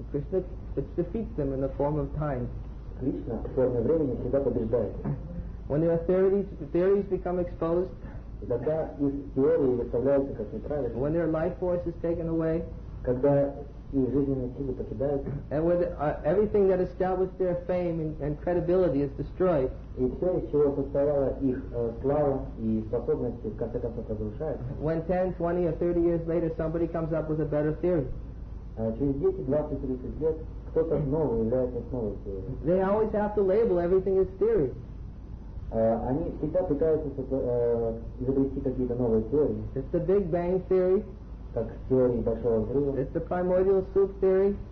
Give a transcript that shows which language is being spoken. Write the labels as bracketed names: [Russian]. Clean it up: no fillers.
[English] Krishna defeats them in the form of time. [Russian] Кришна в форме времени всегда побеждает. [English] When their theories become exposed. [Russian] И тогда их теории выставляются как неправильные. [English] When their life force is taken away. [Russian] Когда и жизненные силы покидают. [English] And with everything that established their fame and credibility is destroyed. [Russian] И все, из чего состояла их слава и способности, в конце концов, разрушается. [English] When 10, 20, or 30 years later, somebody comes up with a better theory. [Russian] Через 10, 20, 30 лет кто-то снова является основой теории. [English] They always have to label everything as theory. [Russian] Они всегда пытаются изобрести какие-то новые теории. [English] It's the Big Bang Theory. It's the primordial soup theory.